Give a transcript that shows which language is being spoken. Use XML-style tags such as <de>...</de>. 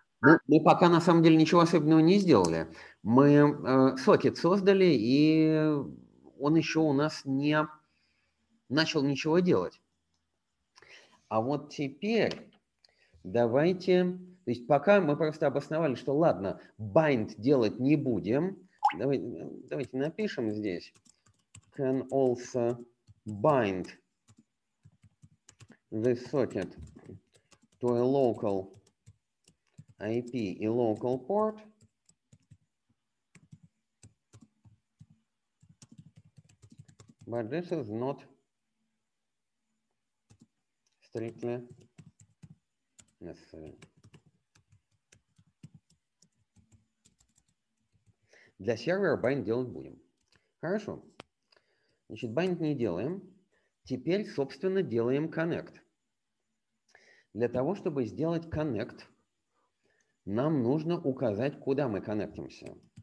<ru>Мы пока на самом деле ничего особенного не сделали. Мы сокет создали, и он еще у нас не начал ничего делать. А вот теперь давайте, то есть пока мы просто обосновали, что ладно, bind делать не будем. Давайте напишем здесь</ru> <en>can also bind the socket to a local IP и local port. But this is not strictly necessary.</en> <ru>Для сервера bind делать будем. Хорошо. Значит, bind не делаем. Теперь, собственно, делаем connect. Для того, чтобы сделать connect, нам нужно указать, куда мы коннектимся.</ru>